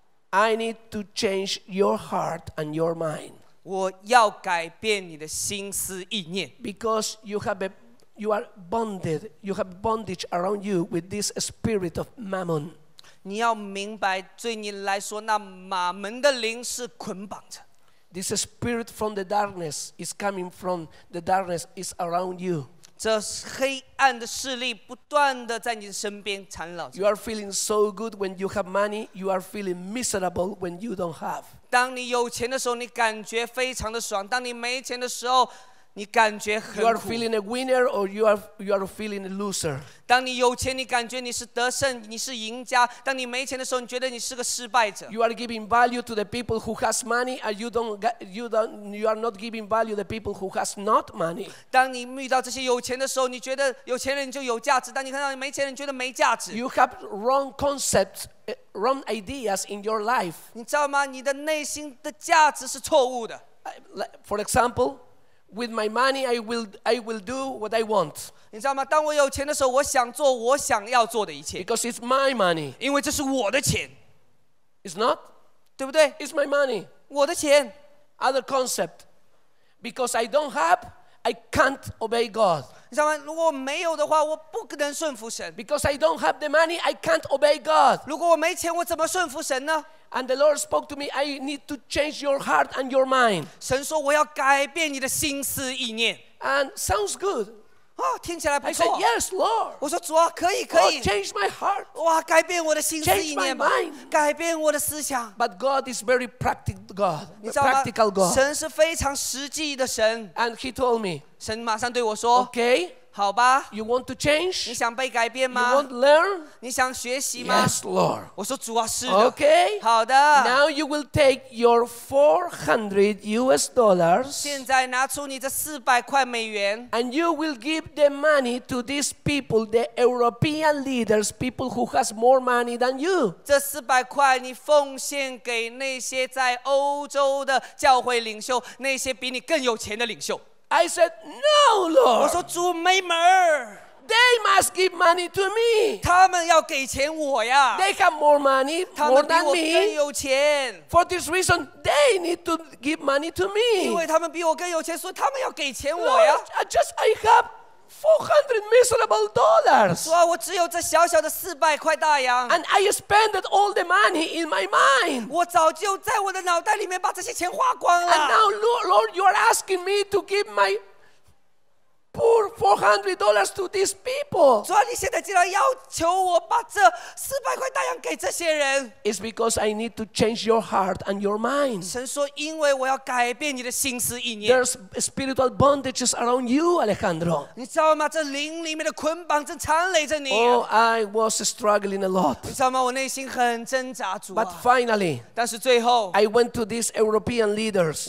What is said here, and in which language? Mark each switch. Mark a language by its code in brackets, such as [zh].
[en] I need to change your heart and your mind. [zh] 我要改变你的心思意念。 [en] Because you have a, you are bonded, you have bondage around you with this spirit of Mammon. [zh] 你要明白，对你来说，那马门的灵是捆绑着。 [en] This spirit from the darkness is coming from the darkness is around you. [zh] 这黑暗的势力不断地在你身边缠绕着。 [en] You are feeling so good when you have money. You are feeling miserable when you don't have. [zh] 当你有钱的时候，你感觉非常的爽；当你没钱的时候，你感觉很苦。 [en] You are feeling a winner or you are feeling a loser. [zh] 当你有钱，你感觉你是得胜，你是赢家；当你没钱的时候，你觉得你是个失败者。 [en] You are giving value to the people who has money, and you are not giving value to the people who has not money. [zh] 当你遇到这些有钱的时候，你觉得有钱人就有价值；当你看到没钱人，觉得没价值。 [en] You have wrong concepts, wrong ideas in your life. [zh] 你知道吗？你的内心的价值是错误的。 [en] For example. With my money, I will do what I want. [zh] 你知道吗？当我有钱的时候，我想做我想要做的一切。 [en] Because it's my money. [zh] 因为这是我的钱。 [en] It's not. [zh] 对不对？ [en] It's my money. [zh] 我的钱。 [en] Other concept. Because I don't have, I can't obey God. [zh] 你知道吗？如果没有的话，我不可能顺服神。 [en] Because I don't have the money, I can't obey God. [zh] 如果我没钱，我怎么顺服神呢？ [en] And the Lord spoke to me, I need to change your heart and your mind. [zh] 神说我要改变你的心思意念。 [en] And sounds good. [zh] 哦，听起来不错。 [en] I said, yes, Lord. [zh] 我说主啊，可以，可以。 [en] Oh, change my heart. [zh] 哇，改变我的心思意念。 [en] Change my mind. [zh] 改变我的思想。 [en] But God is very practical God. [zh] 你知道吗？ [en] Practical God. [zh] 神是非常实际的神。 [en] And he told me. [zh] 神马上对我说。 [en] Okay. [zh] 好吧 [en] you want to change? [zh] 你想被改变吗 [en] you want to learn? [zh] 你想学习吗 [en] yes Lord [zh] 我说主啊是的 [en] okay [zh] 好的 [en] now you will take your 400 US dollars [zh] 现在拿出你的400块美元 [en] and you will give the money to these people the European leaders people who has more money than you [zh] 这400块你奉献给那些在欧洲的教会领袖那些比你更有钱的领袖 [en] I said, no, Lord. [zh] 我说主没门 [en] They must give money to me. [zh] 他们要给钱我呀。 [en] They have more money, more than me. [zh] 他们比我更有钱。 [en] For this reason, they need to give money to me. [zh] 因为他们比我更有钱，所以他们要给钱我呀。 [en] Lord, I have 400 miserable dollars. [zh] 主啊，我只有这小小的400块大洋。 [en] And I spent all the money in my mind. [zh] 我早就在我的脑袋里面把这些钱花光了。 [en] And now, Lord, you are asking me to give my poor $400 to these people. [zh] 主啊，你现在竟然要求我把这400块大洋给这些人。 [en] It's because I need to change your heart and your mind. [zh] 神说，因为我要改变你的心思意念。 [en] There's spiritual bondages around you, Alejandro. [zh] 你知道吗？这灵里面的捆绑正缠累着你。 [en] Oh, I was struggling a lot. [zh] 你知道吗？我内心很挣扎，主啊。 [en] But finally, [zh] 但是最后 [en] I went to these European leaders.